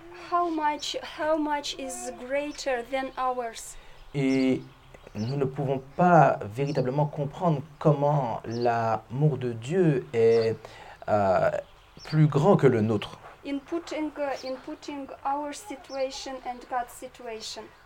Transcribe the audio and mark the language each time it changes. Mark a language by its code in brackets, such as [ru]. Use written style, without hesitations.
[en] How much is greater than ours? [fr] Et nous ne pouvons pas véritablement comprendre comment l'amour de Dieu est plus grand que le nôtre. [en] In putting our situation and God's situation.